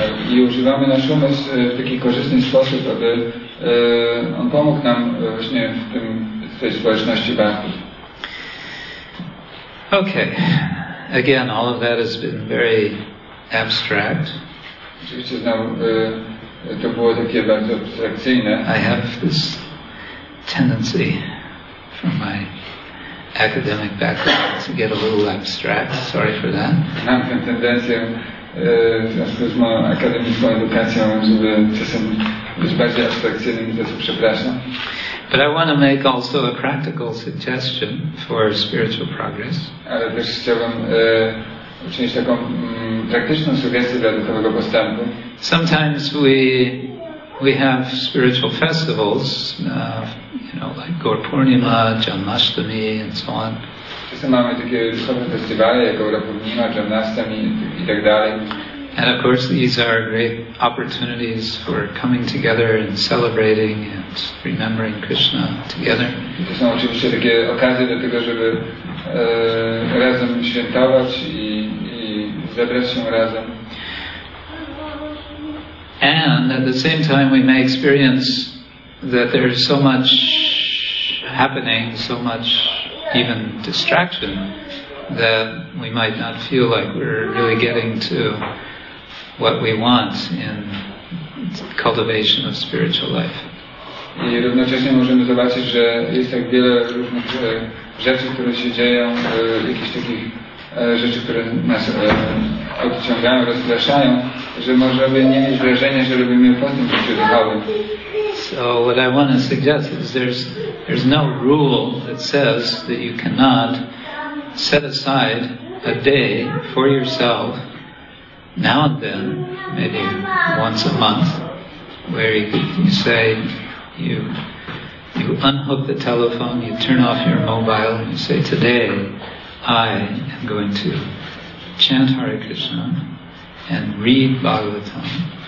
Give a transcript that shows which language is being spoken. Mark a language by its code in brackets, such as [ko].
[pl] I używamy nasz umysł w taki korzystny sposób, aby on pomógł nam właśnie w tym w tej społeczności bhakti. [en] Okay. Again, all of that has been very abstract. [pl] Oczywiście znowu to było takie bardzo abstrakcyjne. [en] I have this tendency from my academic background to get a little abstract. Sorry for that. [pl] Mam tę tendencję w związku z moją akademicką edukacją, żeby czasem być bardziej abstrakcyjnym, to co przepraszam. [en] But I want to make also a practical suggestion for spiritual progress. [pl] Ale też chciałbym uczynić taką praktyczną sugestię dla duchowego postępu. [en] Sometimes we have spiritual festivals, you know, like Gaur Purnima, Janmashtami, and so on. [pl] Czasem mamy takie duchowe festiwale, jak Gaur Purnima, Janmashtami i tak dalej. [en] And of course these are great opportunities for coming together and celebrating and remembering Krishna together. [pl] To są oczywiście takie okazje do tego, żeby razem świętować i zebrać się razem. [en] And at the same time we may experience that there is so much happening, so much even distraction, that we might not feel like we're really getting to what we want in cultivation of spiritual life. [pl] I równocześnie możemy zobaczyć, że jest tak wiele różnych rzeczy, które się dzieją, jakichś takich rzeczy, które nas odciągają, rozpraszają, że możemy nie mieć wrażenia, że robimy po tym, co się dochowy. [en] So what I want to suggest is there's no rule that says that you cannot set aside a day for yourself now and then, maybe once a month, where you say, you unhook the telephone, you turn off your mobile, and you say, today I am going to chant Hare Krishna and read Bhagavatam.